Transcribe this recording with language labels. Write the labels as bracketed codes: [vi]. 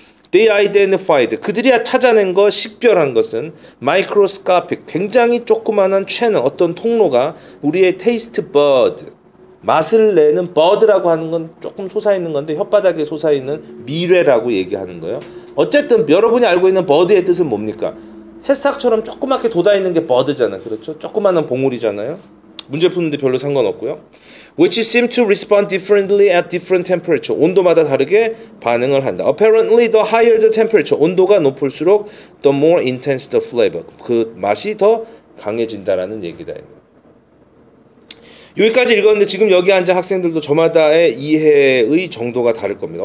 [en] They identified, [ko] 그들이 찾아낸 것, 식별한 것은 microscopic, 굉장히 조그만한 채널, 어떤 통로가 우리의 taste bud, 맛을 내는 bud라고 하는 건 조금 솟아있는 건데 혓바닥에 솟아있는 미뢰라고 얘기하는 거예요. 어쨌든 여러분이 알고 있는 bud의 뜻은 뭡니까? 새싹처럼 조그맣게 돋아있는 게 bud잖아요. 그렇죠? 조그만한 봉우리잖아요. 문제 푸는데 별로 상관없고요. [en] Which seem to respond differently at different temperature. [ko] 온도마다 다르게 반응을 한다. [en] Apparently, the higher the temperature. [ko] 온도가 높을수록 [en] the more intense the flavor. [ko] 그 맛이 더 강해진다라는 얘기다. 여기까지 읽었는데 지금 여기 앉은 학생들도 저마다의 이해의 정도가 다를 겁니다.